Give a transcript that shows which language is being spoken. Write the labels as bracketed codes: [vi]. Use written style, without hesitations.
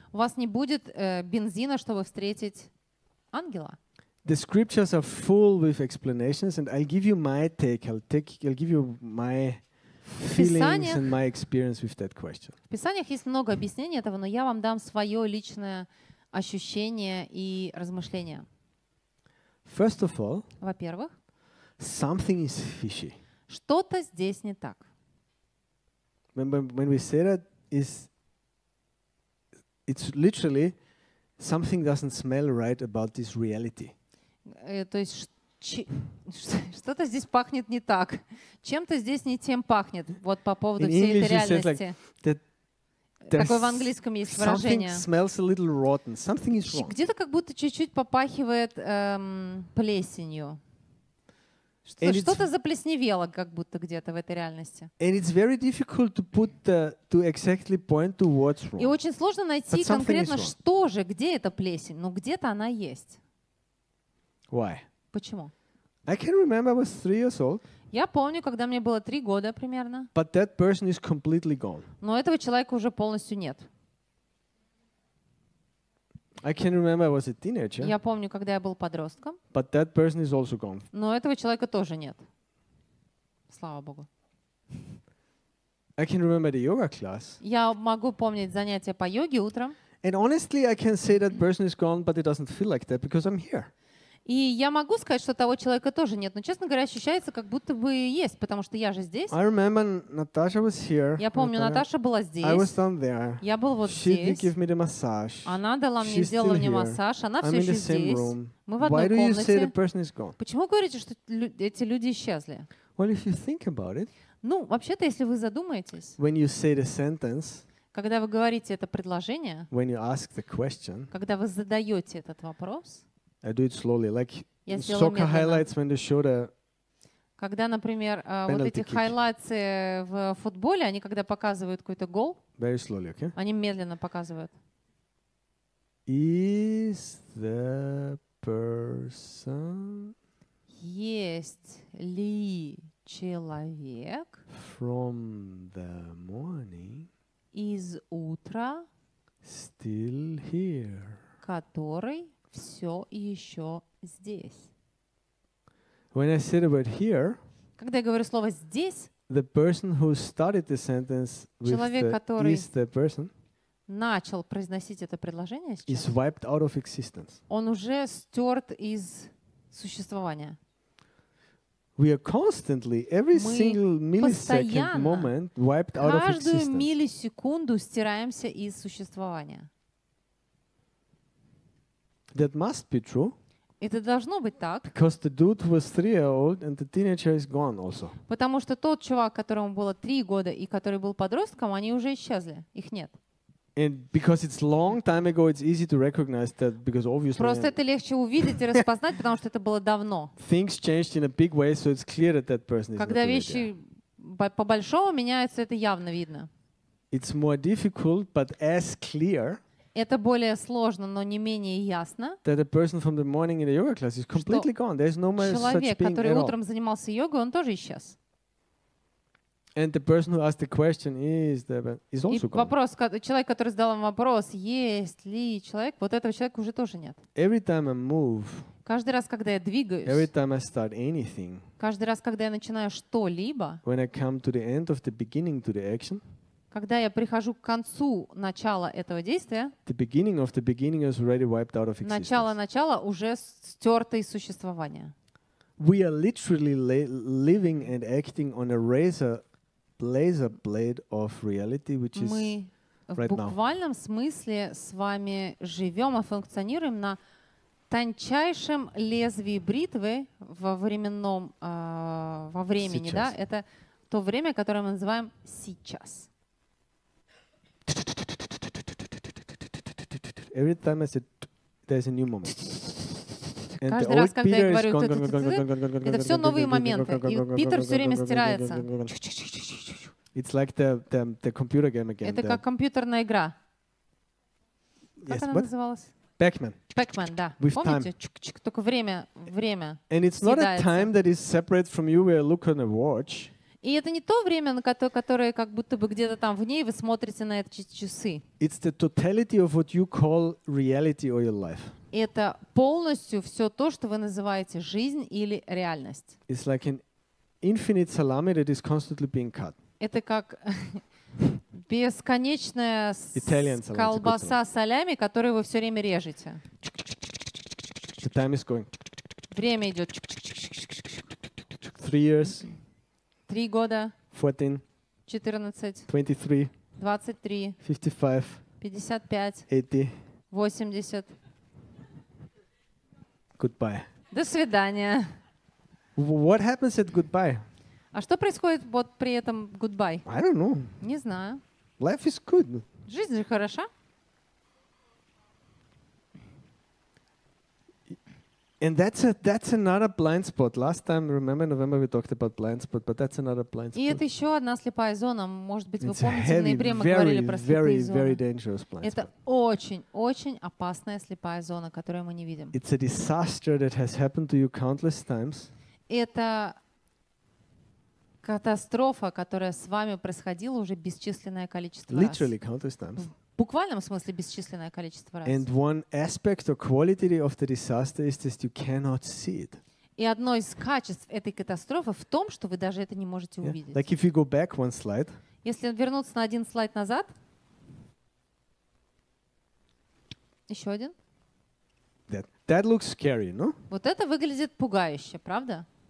[ru] У вас не будет бензина, чтобы встретить ангела. [en] The scriptures are full with explanations, and I'll give you my take. I'll give you my feelings and my experience with that question. [ru] В Писаниях есть много объяснений этого, но я вам дам свое личное ощущение и размышление. [en] First of all, [ru] во-первых, [en] something is fishy. [ru] Что-то здесь не так. [en] When we say that, it's literally something doesn't smell right about this reality. [ru] То есть что-то здесь пахнет не так. Чем-то здесь не тем пахнет. Вот по поводу [en] in [ru] всей [en] English [ru] этой реальности. [en] Like [ru] такое в английском есть выражение. [en] Something smells a little rotten. Something is wrong. [ru] Где-то как будто чуть-чуть попахивает плесенью. Что-то заплесневело как будто где-то в этой реальности. [en] And it's very difficult to put to exactly point to what's wrong. [ru] И очень сложно найти конкретно, что же, где эта плесень. Но где-то она есть. [en] Why? [ru] Почему? [en] I can remember I was 3 years old. [ru] Я помню, когда мне было 3 года примерно. [en] But that person is completely gone. [ru] Но этого человека уже полностью нет. [en] I can remember I was a teenager. [ru] Я помню, когда я был подростком. [en] But that person is also gone. [ru] Но этого человека тоже нет. Слава Богу. [en] I can remember the yoga class. [ru] Я могу помнить занятия по йоге утром. [en] And honestly, I can say that person is gone, but it doesn't feel like that because I'm here. [ru] И я могу сказать, что того человека тоже нет, но, честно говоря, ощущается, как будто бы есть, потому что я же здесь. [en] I remember Natasha was here. [ru] Я помню, Наташа была здесь. [en] I was down there. [ru] Я был вот [en] she [ru] здесь. [en] Didn't give me the massage. [ru] Она дала мне, сделала мне массаж. Она [en] I'm [ru] все еще здесь. [en] Room. [ru] Мы в одной [en] Why [ru] комнате. [en] Do you say the person is gone? [ru] Почему говорите, что эти люди исчезли? [en] Well, if you think about it, [ru] ну, вообще-то, если вы задумаетесь, [en] when you say the sentence, [ru] когда вы говорите это предложение, [en] when you ask the question, [ru] когда вы задаете этот вопрос, [en] I do it slowly, like soccer highlights when they show the [ru] когда, например, вот эти хайлайты в футболе, они когда показывают какой-то гол, [en] very slowly, okay? [ru] Они медленно показывают. [en] Is the person [ru] есть ли человек [en] from the morning [ru] из утра [en] still here, [ru] который все еще здесь. [en] When I said about here, [ru] когда я говорю слово здесь, [en] the person who started the sentence with [ru] человек, [en] the [ru] который [en] is the person, [ru] начал произносить это предложение сейчас, [en] is wiped out of existence. [ru] Он уже стерт из существования. [en] We are constantly, every single millisecond moment, wiped out of existence. [ru] Каждую миллисекунду стираемся из существования. [en] That must be true. [ru] Это должно быть так. [en] Because the dude was 3 years old and the teenager is gone also. [ru] Потому что тот чувак, которому было 3 года и который был подростком, они уже исчезли, их нет. [en] And because it's long time ago, it's easy to recognize that because obviously. [ru] Просто это легче увидеть и распознать, потому что это было давно. [en] Things changed in a big way, so it's clear that that person is not there. [ru] Когда вещи по большому меняются, это явно видно. [en] It's more difficult, but as clear. [ru] Это более сложно, но не менее ясно. [en] That a person from the morning in the yoga class is completely gone. There is no more such being at all. [ru] Человек, который утром занимался йогой, он тоже исчез. [en] And the person who asked the question is the is also gone. [ru] И вопрос, человек, который задал вам вопрос, есть ли человек, вот этого человека уже тоже нет. [en] Every time I move. [ru] Каждый раз, когда я двигаюсь. [en] Every time I start anything. [ru] Каждый раз, когда я начинаю что-либо. [en] When I come to the end of the beginning to the action. [ru] Когда я прихожу к концу начала этого действия. [en] The beginning of the beginning is already wiped out of existence. [ru] Начало уже стерто из существования. [en] We are literally living and acting on a razor blade of reality, which is right now. [ru] Мы в буквальном смысле с вами живем и функционируем на тончайшем лезвии бритвы во временном, во времени, сейчас. Да? Это то время, которое мы называем сейчас. [en] Every time I said, there's a new moment. And [ru] каждый раз, когда Peter я говорю это все новые моменты. И Питер все время стирается. [en] It's like the computer game again. [ru] Это как компьютерная игра. Как она называлась? [en] Pac-Man. [ru] Pac-Man, да. [en] With [ru] помните? [en] Time. [ru] Только время. [en] And it's not [ru] съедается. [en] A time that is separate from you where you look on a watch. [ru] И это не то время, на которое как будто бы где-то там в ней вы смотрите на эти часы. [en] It's the totality of what you call reality or your life. [ru] Это полностью все то, что вы называете жизнь или реальность. [en] It's like an infinite salami that is constantly being cut. [ru] Это как бесконечная колбаса салями, которую вы все время режете. [en] The time is going. [ru] Время идет. [en] 3 years. [ru] 3 года. [en] 14. [ru] 14. [en] 23. [ru] 23. [en] 55. [ru] 55. [en] 80. [ru] 80. [en] Goodbye. [ru] До свидания. [en] What happens at goodbye? [ru] А что происходит вот при этом [en] goodbye? I don't know. [ru] Не знаю. [en] Life is good. [ru] Жизнь же хороша. [en] And that's another blind spot. Last time, remember, November we talked about blind spot, but that's another blind spot. [ru] И это еще одна слепая зона. Может быть, [en] it's [ru] вы помните, [en] heavy, [ru] в ноябре мы [en] very, [ru] говорили про слепые [en] very, [ru] зоны. [en] Very dangerous blind [ru] это очень-очень опасная слепая зона, которую мы не видим. [en] It's a disaster that has happened to you countless times. [ru] Это катастрофа, которая с вами происходила уже бесчисленное количество раз. [en] Literally countless times. [ru] В буквальном смысле бесчисленное количество раз. [en] And one aspect or quality of the disaster is that you cannot see it. [ru] И одно из качеств этой катастрофы в том, что вы даже это не можете [en] yeah. [ru] увидеть. [en] Like if you go back one slide. [ru] Если вернуться на один слайд назад. Еще один. [en] That looks scary, no? [ru] Вот это выглядит пугающе, правда?